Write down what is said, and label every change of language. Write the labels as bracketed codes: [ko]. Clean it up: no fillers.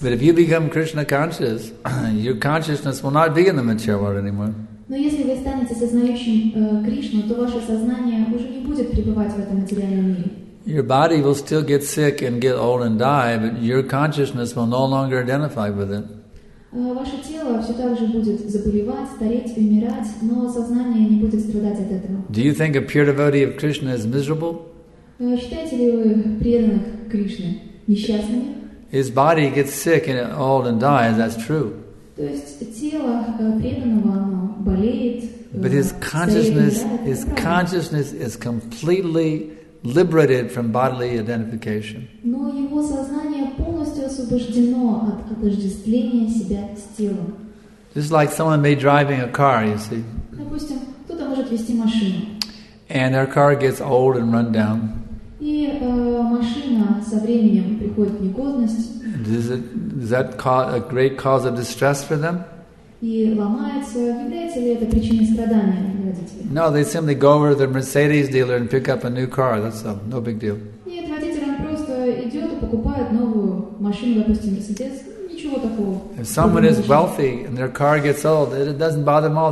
[en] But if you become Krishna conscious, your consciousness will not be in the material world anymore. [ru] Но если вы станете сознающим Кришну, то ваше сознание уже не будет пребывать в этом материальном мире. [en] Your body will still get sick and get old and die, but your consciousness will no longer identify with it. [ru] Ваше тело все так же будет заболевать, стареть, умирать, но сознание не будет страдать от этого. [en] Do you think a pure devotee of Krishna is miserable? [ru] Считаете ли вы преданных Кришны несчастными? [en] His body gets sick and old and dies, that's true. [ru] То есть тело преданного, оно болеет, [en] but his consciousness is completely liberated from bodily identification. [ru] Но его сознание полностью освобождено от отождествления себя с телом. [en] Just like someone may driving a car, you see. [ru] Допустим, кто-то может вести машину. [en] And their car gets old and run down. [ru] И машина со временем приходит в негодность. [en] Is that a great cause of distress for them? No, they simply go over to the Mercedes dealer and pick up a new car. That's no big deal. If someone is wealthy and their car gets old, it doesn't bother them all.